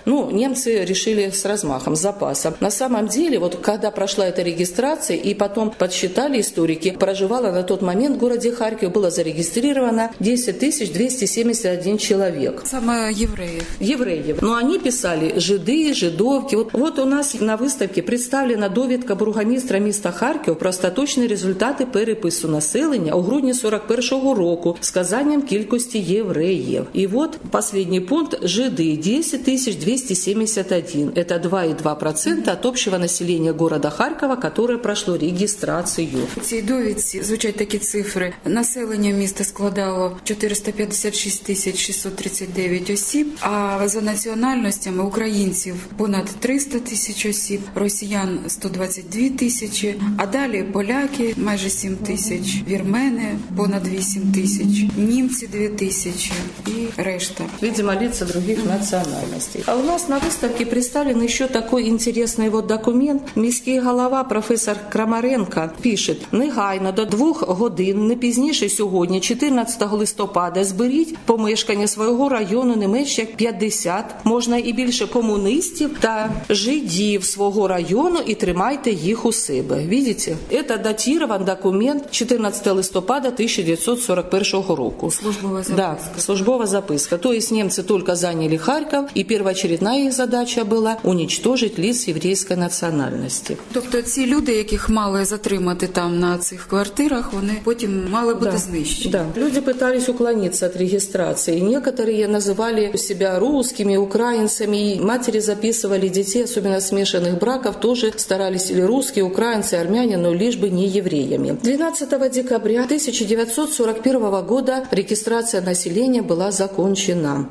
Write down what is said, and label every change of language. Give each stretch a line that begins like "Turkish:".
Russian: Ну, немцы решили с размахом, с запасом. На самом деле, вот когда прошла эта регистрация и потом подсчитали посчитали историки, проживало на тот момент в городе Харьков, было зарегистрировано 10 271 человек. Само евреев. Евреев. Но они писали жиды, жидовки. Вот у нас на выставке представлена
Ukrainian: довідка бургомистра міста
Russian: Харьков про остаточные результаты перепису населения
Ukrainian: у грудні 41-го року
Russian: с
Ukrainian: сказанням кількості
Russian: евреев. И вот последний пункт. Жиды 10 271. Это 2,2% от общего населения города Харькова, которое прошло регистрацию. В этой
Ukrainian: довідці звучать такі цифри. Населення міста складало 456 639 осіб, а за національностями українців понад 300 тисяч осіб, росіян 122 тисячі, а далі поляки майже 7 тисяч, вірмени понад 8 тисяч, німці 2 тисячі і решта.
Russian: Видимо, лица других національностей.
Ukrainian: А у нас на виставці представлений ще такий інтересний вот документ. Міський голова професор Крамаренко пише: «Негайно до 2 годин, не пізніше сьогодні, 14 листопада, зберіть помешкання свого району не менше як 50, можна і більше комуністів та жидів свого району і тримайте їх у себе». Видите? Це датирован документ 14 листопада 1941 року. Службова записка. Да, службова записка. То есть немці тільки зайняли Харків, і первоочередна їх задача була
Russian: уничтожить
Ukrainian: ліс єврейської національності. Тобто ці люди, яких мали затримати там на цих квартирах, вони потім мали бути, да, знищені. Да.
Russian: Люди пытались уклониться от регистрации. Некоторые называли себя русскими, украинцами. И матери записывали детей, особенно смешанных браков, тоже старались или русские, украинцы, армяне, но лишь бы не евреями. 12 декабря 1941 года регистрация населения была закончена.